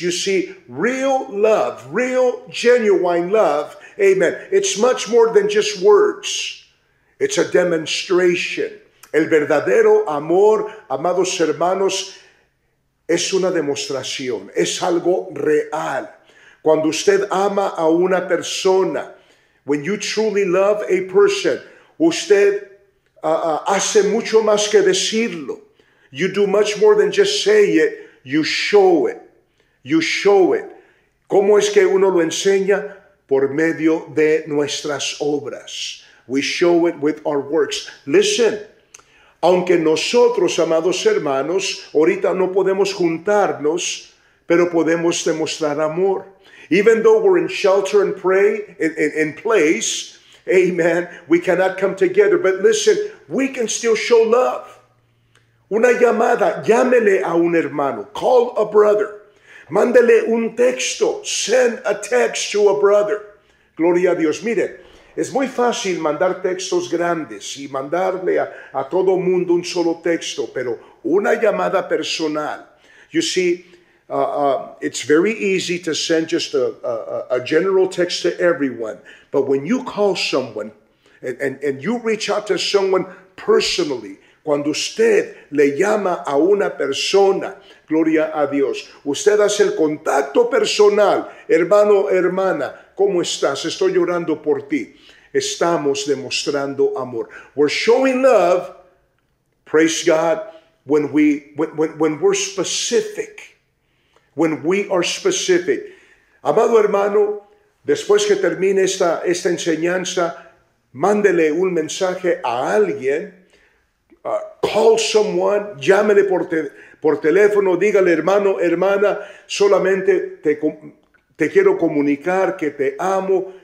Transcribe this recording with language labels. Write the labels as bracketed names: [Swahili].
[English] You see, real love, real genuine love, amen, it's much more than just words. It's a demonstration. [Spanish] El verdadero amor, amados hermanos, es una demostración, es algo real. Cuando usted ama a una persona, [English] when you truly love a person, [Spanish] usted hace mucho más que decirlo. [English] You do much more than just say it, you show it. You show it. [Spanish] ¿Cómo es que uno lo enseña? Por medio de nuestras obras. [English] We show it with our works. Listen. [Spanish] Aunque nosotros, amados hermanos, ahorita no podemos juntarnos, pero podemos demostrar amor. [English] Even though we're in shelter and pray, in place, amen, we cannot come together. But listen, we can still show love. [Spanish] Una llamada, llámele a un hermano. [English] Call a brother. [Spanish] Mándele un texto. [English] Send a text to a brother. [Spanish] Gloria a Dios. Miren. Es muy fácil mandar textos grandes y mandarle a todo mundo un solo texto, pero una llamada personal. [English] You see, it's very easy to send just a general text to everyone. But when you call someone and you reach out to someone personally, [Spanish] cuando usted le llama a una persona, gloria a Dios, usted hace el contacto personal, hermano, hermana, ¿cómo estás? Estoy llorando por ti. Estamos demostrando amor. [English] We're showing love, praise God, when we are specific. [Spanish] Amado hermano, después que termine esta enseñanza, mándele un mensaje a alguien. [English] Call someone, [Spanish] llámele por teléfono, dígale, hermano, hermana, solamente te quiero comunicar que te amo.